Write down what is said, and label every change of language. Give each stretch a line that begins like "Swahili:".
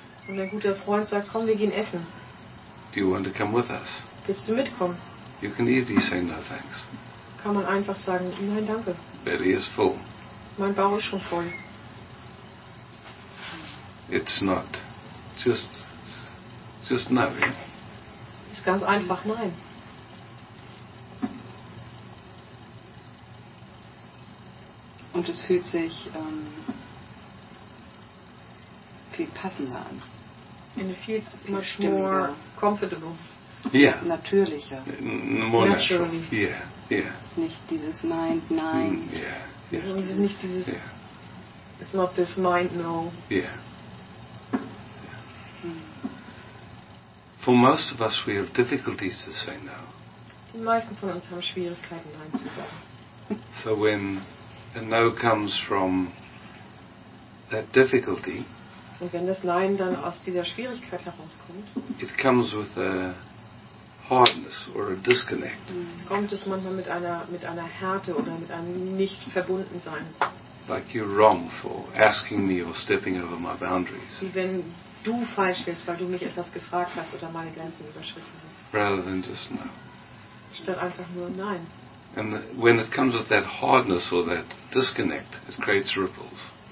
German: Und ein guter Freund sagt, komm, wir gehen essen.
English: Do you want to come with us?
German: Willst du mitkommen?
English: You can easily say no thanks.
German: kann man einfach sagen, nein, danke.
English: Belly is full.
German: Mein Bauch ist schon voll.
English: It's not. Just no.
German: Ist ganz einfach nein. Und es fühlt sich viel passender an.
English: And it feels much more comfortable. Yeah.
German: Natürlicher.
English: More natural. Yeah, yeah.
German: Nicht dieses mind, nein. Yeah,
English: yeah.
German: Nicht dieses,
English: yeah. It's not this mind, no. Yeah. For most of us, we have difficulties to say no.
German: Die meisten von uns haben Schwierigkeiten, nein zu sagen.
English: So when a no comes from that difficulty,
German: und wenn das Nein dann aus dieser Schwierigkeit herauskommt,
English: it comes with a hardness or a disconnect.
German: Kommt es manchmal mit einer Härte oder mit einem Nicht-Verbunden-Sein.
English: Like you're wrong for asking me or stepping over my boundaries.
German: Wie wenn du falsch bist, weil du mich etwas gefragt hast oder meine Grenzen überschritten hast.
English: Rather than just no.
German: Statt einfach nur nein.
English: And when it comes with that hardness or that disconnect, it creates ripples.